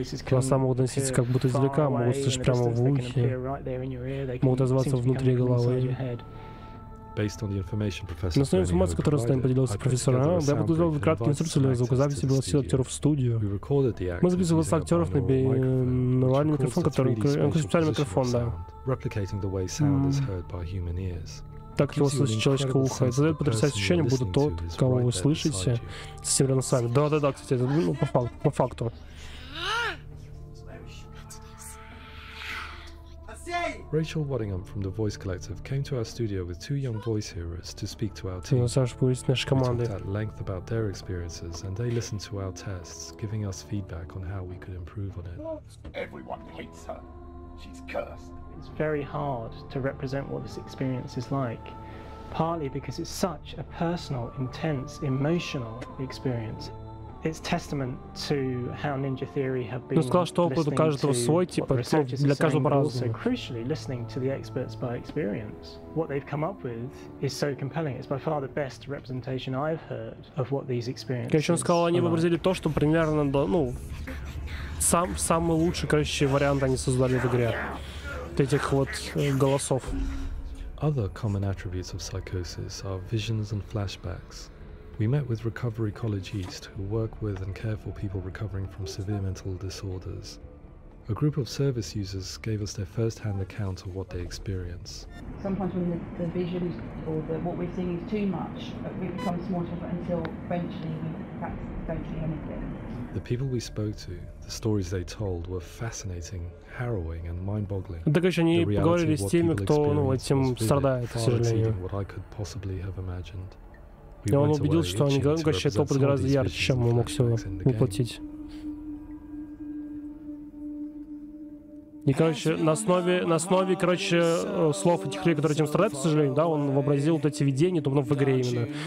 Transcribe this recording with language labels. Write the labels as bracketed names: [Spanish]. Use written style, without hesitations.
[Russian] Голоса могут доноситься как будто издалека, могут слышать прямо в ухе, могут отзываться внутри головы. [English] Based on the information, professor. [Russian] На основе информации, которую с нами поделился профессор, я подготовил краткие инструкции для звукозаписи голосов актеров в студию. Мы записывали голоса актеров на нормальный микрофон, который специальный микрофон, да. [English] Replicating the way sound is heard by human ears. [Russian] Так его слышит человеческое ухо. Это дает потрясающее ощущение, будто тот, кого вы слышите, совсем рядом с вами. Да, кстати, это по факту. [English] Rachel Waddingham from the Voice Collective came to our studio with two young voice hearers to speak to our team. [Russian] Саша Пурис, наша команда. [English] We talked at length about their experiences, and they listened to our tests, giving us feedback on how we could improve on it. Everyone hates her. She's cursed. It's very hard to represent what this experience is like, partly because it's such a personal, intense, emotional experience. It's testament to how Ninja Theory have been listening to what researchers are saying, but also crucially listening to the experts by experience. What they've come up with is so compelling. It's by far the best representation I've heard of what these experiences. [Russian] Короче, он сказал, они выбрали то, что примерно, самый лучший, короче, вариант они создали в игре этих вот голосов. [English] Other common attributes of psychosis are visions and flashbacks. We met with Recovery College East, who work with and care for people recovering from severe mental disorders. A group of service users gave us their first-hand account of what they experience. Sometimes when the vision or the what we're seeing is too much, we become small talk until eventually we perhaps don't see anything. The people we spoke to, the stories they told were fascinating, harrowing and mind-boggling. [Russian] Так еще они поговорили с теми, кто этим страдает, к сожалению. [English] What I could possibly have imagined. [Russian] И он убедил, что они говорят, этот опыт гораздо ярче, чем он мог себе воплотить. И, короче, на основе, короче, слов этих людей, которые этим страдают, к сожалению, да, он вообразил вот эти видения, то в игре именно.